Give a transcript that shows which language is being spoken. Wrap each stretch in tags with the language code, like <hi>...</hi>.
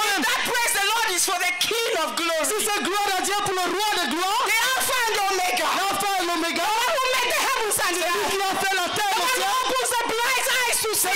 <en>That praise the Lord is for the King of Glory.</en> <fr>C'est cette gloire à Dieu pour le roi de gloire.</fr> <en>The Alpha and the Omega.</en> <fr>L'Alpha et l'Oméga.</fr> <en>The one who made the heavens and the earth.</en> <fr>Qui a fait la terre.</fr> <en>The one who opens the blind eyes to see.</en>